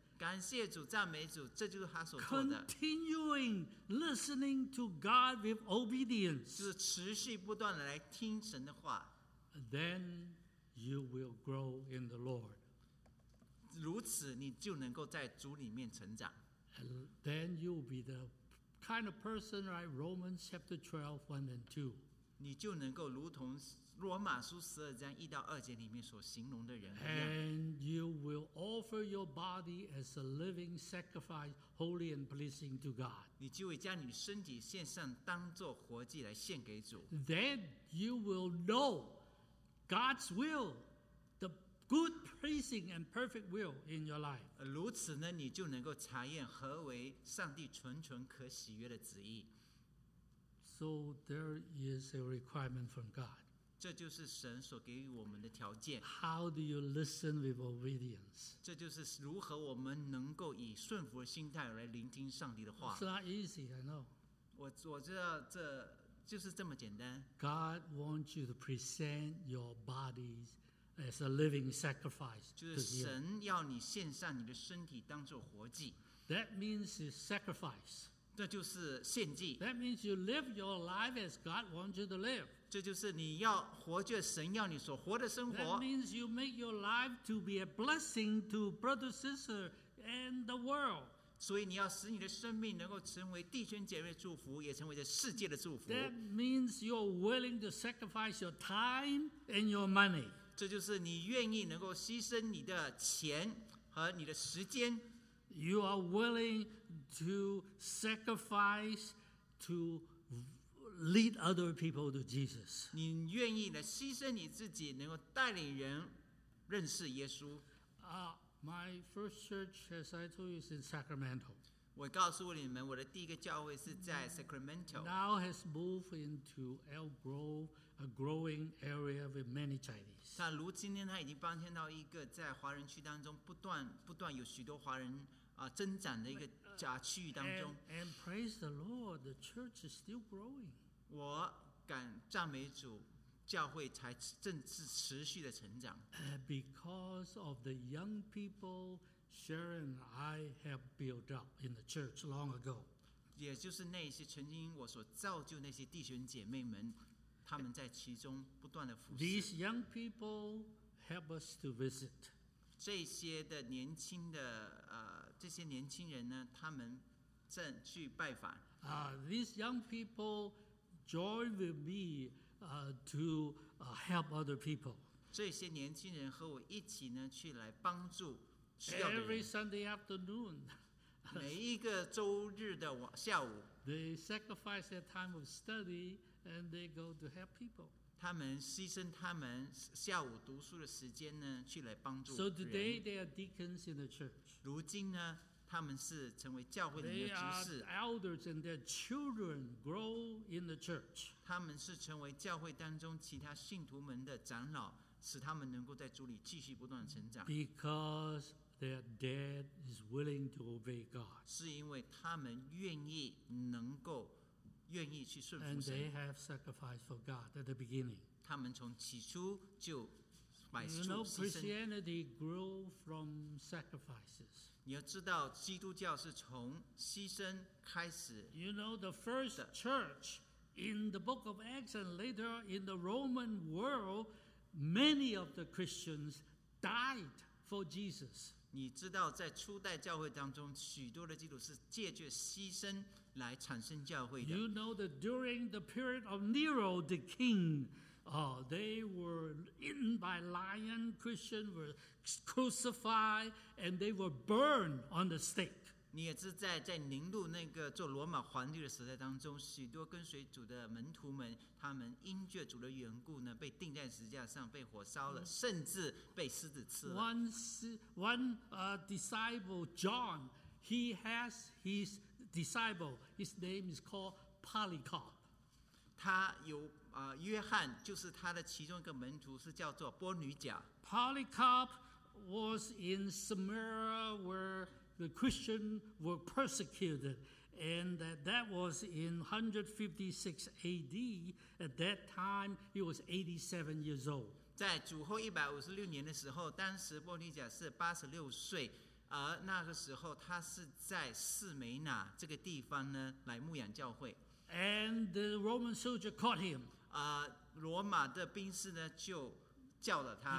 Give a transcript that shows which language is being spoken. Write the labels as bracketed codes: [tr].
[zh] 感谢主，赞美主，这就是他所做的。 [en] Continuing listening to God with obedience. [zh] 就是持续不断的来听神的话。 [en] Then you will grow in the Lord. [zh] 如此你就能够在主里面成长。 [en] And then you will be the kind of person like Romans chapter 12, 1 and 2. [zh] 你就能够如同罗马书十二章一到二节里面所形容的人一样。 [en] And you will offer your body as a living sacrifice, holy and pleasing to God. [zh] 你就会将你身体献上，当作活祭来献给主。 [en] Then you will know God's will, the good, pleasing, and perfect will in your life. [zh] 如此呢，你就能够查验何为上帝纯纯可喜悦的旨意。 [en] So there is a requirement from God. [zh] 这就是神所给予我们的条件。 [en] How do you listen with obedience? [zh] 这就是如何我们能够以顺服的心态来聆听上帝的话。 [en] It's not easy, I know. [zh] 我知道这就是这么简单。 [en] God wants you to present your bodies as a living sacrifice. [zh] 就是神要你献上你的身体当作活祭。 [en] That means it's sacrifice. [zh] 这就是献祭。 [en] That means you live your life as God wants you to live. [zh] 这就是你要活着神要你所活的生活。 [en] That means you make your life to be a blessing to brother, sister, and the world. [zh] 所以你要使你的生命能够成为弟兄姐妹祝福，也成为这世界的祝福。 [en] That means you're willing to sacrifice your time and your money. [zh] 这就是你愿意能够牺牲你的钱和你的时间。 [en] You are willing to sacrifice to lead other people to Jesus. [zh] 你愿意的牺牲你自己，能够带领人认识耶稣。 [en] My first church, as I told you, is in Sacramento. [zh] 我告诉你们，我的第一个教会是在 Sacramento. [en] Now has moved into Elk Grove, a growing area with many Chinese. [zh] 但如今天，他已经搬迁到一个在华人区当中不断有许多华人。增长的一个假区域当中。 [en] And praise the Lord, the church is still growing. [zh] 我敢赞美主，教会才正是持续的成长。 [en] Because of the young people Sharon and I have built up in the church long ago. [zh] 也就是那些曾经我所造就那些弟兄姐妹们，他们在其中不断的服侍。 [en] These young people help us to visit. [zh] 这些的年轻的这些年轻人呢，他们正去拜访。 [en] These young people join with me help other people. [zh] 这些年轻人和我一起呢，去来帮助需要的人。 [en] Every Sunday afternoon, [zh] 每一个周日的下午 [en] ，they sacrifice their time of study and they go to help people. [zh] 他们牺牲他们下午读书的时间呢，去来帮助人。 [en] So today they are deacons in the church. [zh] 如今呢，他们是成为教会里面的执事。 [en] They are elders and their children grow in the church. [zh] 他们是成为教会当中其他信徒们的长老，使他们能够在主里继续不断成长。 [en] Because their dad is willing to obey God. [zh] 是因为他们愿意能够。愿意去顺服神。 [en] And they have sacrificed for God at the beginning. [zh] 他们从起初就摆出牺牲。 [en] You know, Christianity grew from sacrifices. [zh] 你要知道，基督教是从牺牲开始。 [en] You know, the first church in the book of Acts and later in the Roman world, many of the Christians died for Jesus. [zh] 你知道，在初代教会当中，许多的基督徒是借着牺牲。来产生教会的。 [en] You know that during the period of Nero the king, they were eaten by lion. Christians were crucified and they were burned on the stake. [zh] 你也知在尼禄那个做罗马皇帝的时代当中，许多跟随主的门徒们，他们因着主的缘故呢，被钉在十字架上，被火烧了，甚至被狮子吃了。 [en] One disciple John, he has his disciple, his name is called Polycarp. [zh] 他有约翰，就是他的其中一个门徒，是叫做波女甲。 [en] Polycarp was in Samaria, where the Christians were persecuted, and that was in 156 AD. At that time, he was 87 years old. [zh] 在主后156年的时候，当时波尼甲是86岁，而那个时候他是在士梅那这个地方呢来牧养教会。 [en] And the Roman soldier caught him. [zh] 罗马的兵士呢就叫了他。